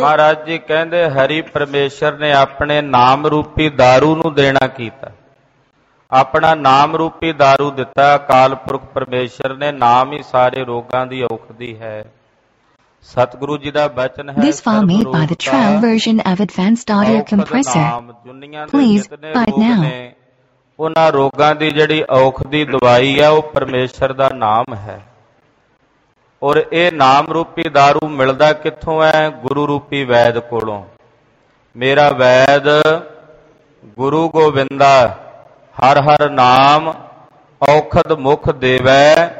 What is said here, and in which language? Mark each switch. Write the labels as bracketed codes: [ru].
[pa] ਮਹਾਰਾਜ ਜੀ ਕਹਿੰਦੇ ਹਰੀ ਪਰਮੇਸ਼ਰ ਨੇ ਆਪਣੇ ਨਾਮ ਰੂਪੀ ਦਾਰੂ ਨੂੰ ਦੇਣਾ ਕੀਤਾ, ਆਪਣਾ ਨਾਮ ਰੂਪੀ ਦਾਰੂ ਦਿੱਤਾ ਅਕਾਲ ਪੁਰਖ ਪਰਮੇਸ਼ਰ ਨੇ। ਨਾਮ ਹੀ ਸਾਰੇ ਰੋਗਾਂ ਦੀ ਔਖਦੀ ਹੈ। Satguru ji da bachan hai. [en] This file made by the trial version of Advanced Audio Compressor. Please buy it now. [pa] ਉਹਨਾਂ ਰੋਗਾਂ ਦੀ ਜਿਹੜੀ ਔਖ ਦੀ ਦਵਾਈ ਆ ਉਹ ਪਰਮੇਸ਼ਰ ਦਾ ਨਾਮ ਹੈ ਔਰ ਇਹ ਨਾਮ ਰੂਪੀ ਦਾਰੂ ਮਿਲਦਾ ਕਿੱਥੋਂ ਹੈ ਗੁਰੂ ਰੂਪੀ ਵੈਦ ਕੋਲੋਂ ਮੇਰਾ ਵੈਦ ਗੁਰੂ ਗੋਬਿੰਦਾ ਹਰ ਹਰ ਨਾਮ ਔਖਦ ਮੁਖ ਦੇਵੈ